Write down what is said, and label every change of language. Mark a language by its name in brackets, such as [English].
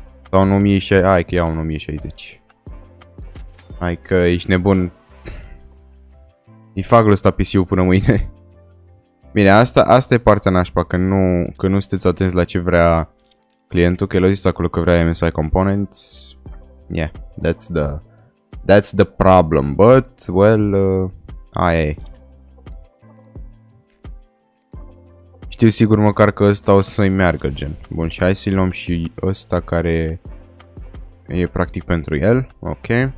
[Romanian] Sau un 1060, hai că iau un 1060. Hai că ești nebun. Îi fac ăsta PC-ul până mâine. Bine, asta e partea nașpa, că nu sunteți atenți la ce vrea clientul, că el a zis acolo că vrea MSI components. [English] Yeah, that's the problem, but, well, [Romanian] aia e. Știu sigur măcar că ăsta o să-i meargă, gen. Bun, și hai să-i luăm și ăsta care e practic pentru el, ok.